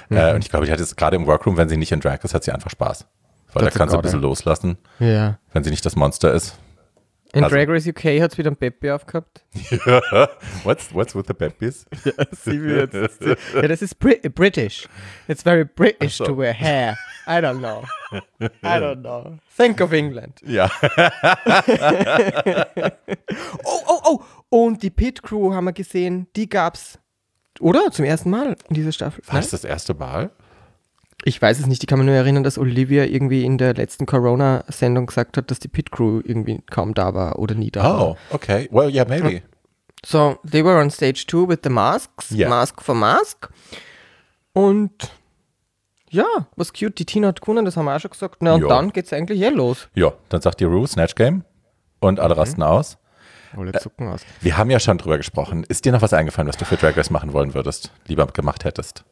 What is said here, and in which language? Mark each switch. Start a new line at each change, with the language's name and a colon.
German: Und ich glaube, die hat jetzt gerade im Workroom, wenn sie nicht in Drag ist, hat sie einfach Spaß. Weil da kann sie ein bisschen loslassen, ja. Wenn sie nicht das Monster ist. In also, Drag Race UK hat es wieder ein Baby aufgehabt.
English: what's with the babies?
German: Ja, sie wird jetzt, ja, das ist British.
English: It's very British so. To wear hair. I don't know. Think of England.
German: Ja. Oh. Und die Pit Crew haben wir gesehen. Die gab's, oder? Zum ersten Mal in dieser Staffel. War das erste Mal? Ich weiß es nicht, ich kann mich nur erinnern, dass Olivia irgendwie in der letzten Corona-Sendung gesagt hat, dass die Pit-Crew irgendwie kaum da war oder nie da oh, war.
English: Oh, okay. Well, yeah, maybe. So, they were on stage 2 with the masks, yeah. Mask for mask.
German: Und ja,
English: was cute,
German: die Tina hat gewonnen, das haben wir auch schon gesagt. Na, und jo. Dann geht's eigentlich hier los. Ja, dann sagt die Rue, Snatch Game und alle rasten aus. Alle zucken aus. Wir haben ja schon drüber gesprochen. Ist dir noch was eingefallen, was du für Drag Race machen wollen würdest, lieber gemacht hättest?